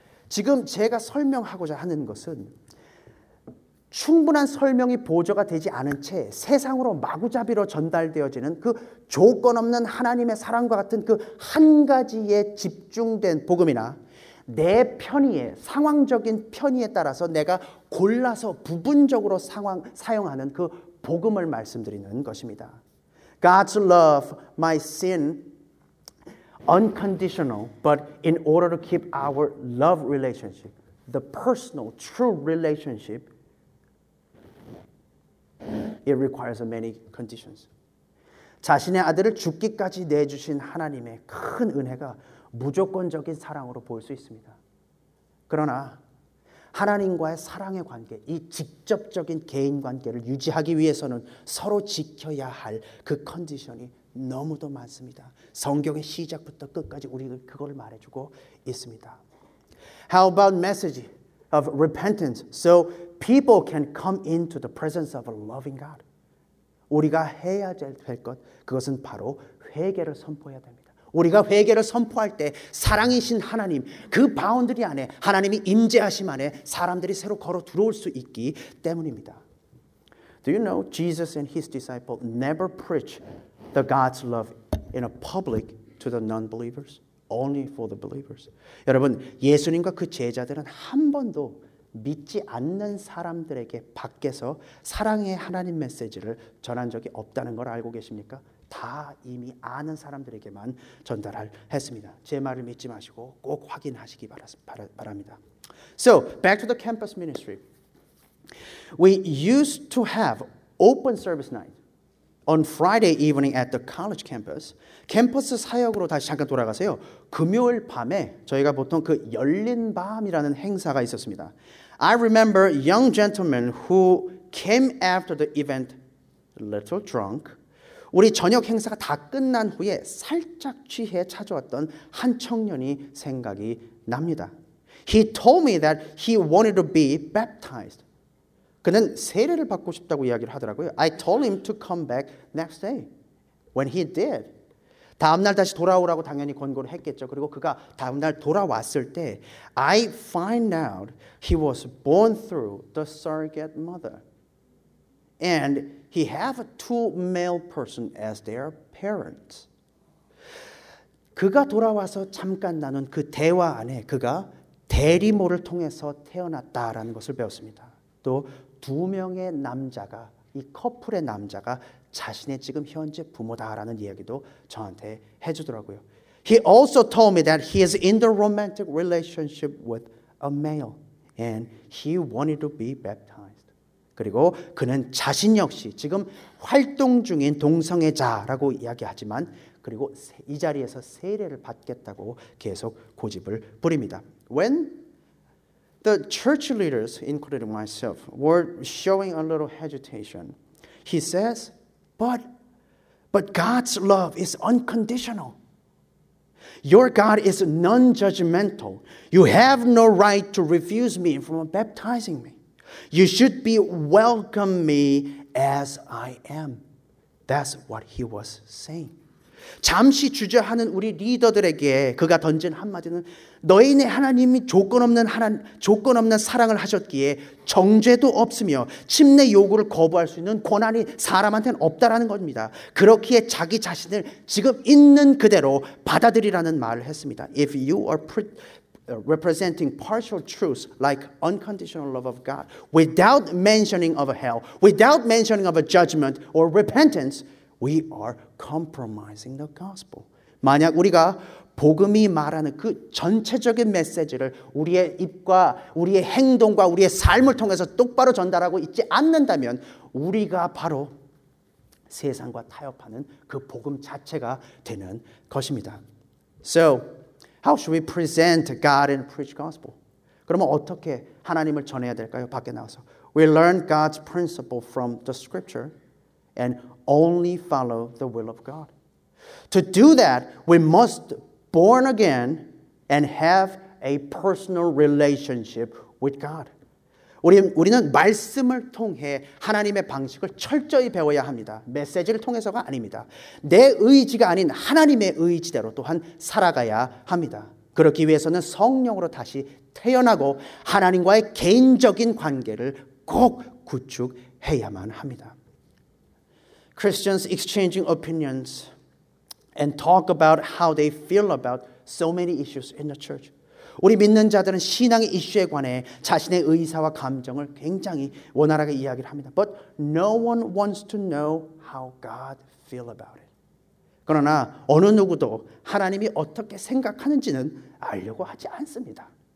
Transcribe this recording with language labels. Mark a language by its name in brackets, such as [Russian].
[Korean] 지금 제가 설명하고자 하는 것은 충분한 설명이 보조가 되지 않은 채 세상으로 마구잡이로 전달되어지는 그 조건 없는 하나님의 사랑과 같은 그 한 가지에 집중된 복음이나 내 편의에, 상황적인 편의에 따라서 내가 골라서 부분적으로 사용하는 그 복음을 말씀드리는 것입니다. [English] God's love, my sin, unconditional, but in order to keep our love relationship, the personal, true relationship, it requires many conditions. [Korean] 자신의 아들을 죽기까지 내주신 하나님의 큰 은혜가 무조건적인 사랑으로 보일 수 있습니다. 그러나 하나님과의 사랑의 관계, 이 직접적인 개인 관계를 유지하기 위해서는 서로 지켜야 할 그 컨디션이 너무도 많습니다. 성경의 시작부터 끝까지 우리가 그걸 말해주고 있습니다. [English] How about message of repentance? So people can come into the presence of a loving God. [Korean] 우리가 해야 될 것, 그것은 바로 회개를 선포해야 됩니다. 우리가 회개를 선포할 때 사랑이신 하나님, 그 바운드리 안에 하나님이 임재하심 안에 사람들이 새로 걸어 들어올 수 있기 때문입니다. [English] Do you know Jesus and his disciples never preach the God's love in a public to the non-believers? Only for the believers. [Korean] 여러분, 예수님과 그 제자들은 한 번도 믿지 않는 사람들에게 밖에서 사랑의 하나님 메시지를 전한 적이 없다는 걸 알고 계십니까? 다 이미 아는 사람들에게만 전달했습니다. 제 말을 믿지 마시고 꼭 확인하시기 바랍니다. [English] So, back to the campus ministry. We used to have open service night on Friday evening at the college campus. [Korean] 캠퍼스 사역으로 다시 잠깐 돌아가세요. 금요일 밤에 저희가 보통 그 열린 밤이라는 행사가 있었습니다. [English] I remember young gentlemen who came after the event a little drunk. [Korean] 우리 저녁 행사가 다 끝난 후에 살짝 취해 찾아왔던 한 청년이 생각이 납니다. [English] He told me that he wanted to be baptized. [Korean] 그는 세례를 받고 싶다고 이야기를 하더라고요. [English] I told him to come back next day. When he did, [Korean] 다음날 다시 돌아오라고 당연히 권고를 했겠죠. 그리고 그가 다음날 돌아왔을 때 [English] I find out he was born through the surrogate mother. And he have two male person as their parents. [Korean] 그가 돌아와서 잠깐 나눈 그 대화 안에 그가 대리모를 통해서 태어났다라는 것을 배웠습니다. 또 두 명의 남자가 이 커플의 남자가 자신의 지금 현재 부모다라는 이야기도 저한테 해주더라고요. [English] He also told me that he is in the romantic relationship with a male and he wanted to be baptized. [Korean] 그리고 그는 자신 역시 지금 활동 중인 동성애자라고 이야기하지만 그리고 이 자리에서 세례를 받겠다고 계속 고집을 부립니다. [English] When the church leaders, including myself, were showing a little hesitation, he says, But God's love is unconditional. Your God is non-judgmental. You have no right to refuse me from baptizing me. You should be welcome me as I am. That's what he was saying. [Korean] 잠시 주저하는 우리 리더들에게 그가 던진 한마디는 너희네 하나님이 조건 없는 사랑을 하셨기에 정죄도 없으며 침례 요구를 거부할 수 있는 권한이 사람한테는 없다라는 겁니다. 그렇기에 자기 자신을 지금 있는 그대로 받아들이라는 말을 했습니다. [English] If you are representing partial truths like unconditional love of God, without mentioning of a hell, without mentioning of a judgment or repentance, we are compromising the gospel. [Korean] 만약 우리가 복음이 말하는 그 전체적인 메시지를 우리의 입과 우리의 행동과 우리의 삶을 통해서 똑바로 전달하고 있지 않는다면 우리가 바로 세상과 타협하는 그 복음 자체가 되는 것입니다. [English] So, how should we present God and preach gospel? [Korean] 그러면 어떻게 하나님을 전해야 될까요? 밖에 나와서. [English] We learn God's principle from the scripture and only follow the will of God. To do that, we must born again and have a personal relationship with God. [Korean] 우리는 말씀을 통해 하나님의 방식을 철저히 배워야 합니다. 메시지를 통해서가 아닙니다. 내 의지가 아닌 하나님의 의지대로 또한 살아가야 합니다. 그렇기 위해서는 성령으로 다시 태어나고 하나님과의 개인적인 관계를 꼭 구축해야만 합니다. [English] Christians exchanging opinions and talk about how they feel about so many issues in the church. [Korean] 우리 믿는 자들은 신앙의 이슈에 관해 자신의 의사와 감정을 굉장히 원활하게 이야기를 합니다. [English] But no one wants to know how God feel about it. [Korean] 그러나 어느 누구도 하나님이 어떻게 생각하는지는 알려고 하지 않습니다.